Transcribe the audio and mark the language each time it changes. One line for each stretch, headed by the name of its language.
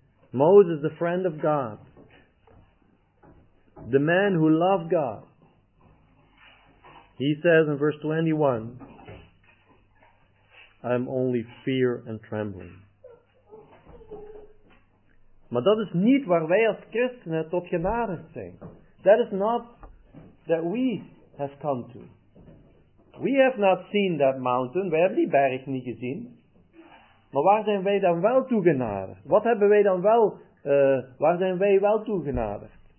English: Mozes, the friend of God, the man who loved God, he says in verse 21, I'm only fear and trembling.
Dutch: Maar dat is niet waar wij als christenen tot genaderd zijn.
English: That is not that we have come to. We have not seen that mountain.
Dutch: We hebben die berg niet gezien. Maar waar zijn wij dan wel toe genaderd? Wat hebben wij dan wel, waar zijn wij wel toe genaderd?